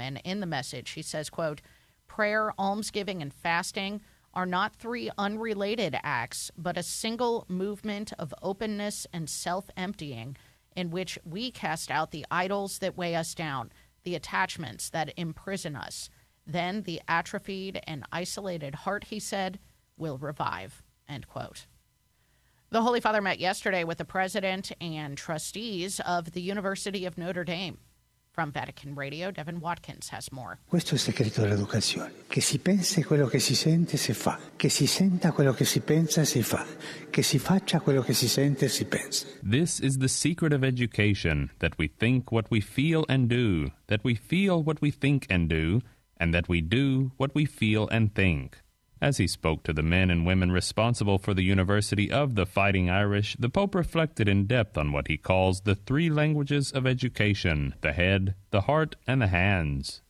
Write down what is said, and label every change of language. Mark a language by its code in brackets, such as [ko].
[en] And in the message, he says, quote, prayer, almsgiving, and fasting are not three unrelated acts, but a single movement of openness and self-emptying in which we cast out the idols that weigh us down, the attachments that imprison us. Then the atrophied and isolated heart, he said, will revive, end quote. The Holy Father met yesterday with the president and trustees of the University of Notre Dame. From Vatican Radio, Devin Watkins has more. [it] Questo è il segreto dell'educazione. Che si pensa quello che si sente, si fa. Che si senta quello che si pensa, si fa. Che si faccia quello che si sente, si pensa. [en] This is the secret of education, that we think what we feel and do, that we feel what we think and do, and that we do what we feel and think. As he spoke to the men and women responsible for the University of the Fighting Irish, the Pope reflected in depth on what he calls the three languages of education, the head, the heart, and the hands.